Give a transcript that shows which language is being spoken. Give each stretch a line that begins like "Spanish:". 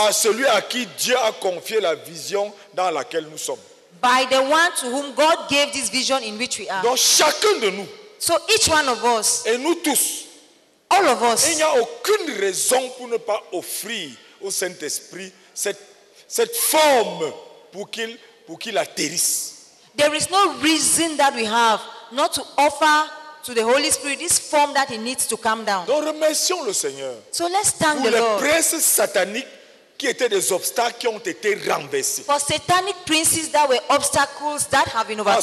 French: Par celui à qui Dieu a confié la vision dans laquelle nous sommes.
English: By the one to whom God gave this vision in which we are.
French: Donc chacun de nous.
English: So each one of us.
French: Et nous tous.
English: All of us.
French: Il n'y a aucune raison pour ne pas offrir au Saint-Esprit cette forme pour qu'il atterrisse.
English: There is no reason that we have not to offer to the Holy Spirit this form that he needs to come down.
French: Donc remercions le Seigneur.
English: So let's thank the Lord.
French: Pour les princes sataniques qui étaient des obstacles qui ont été renversés.
English: For satanic princes that were obstacles that have been overthrown.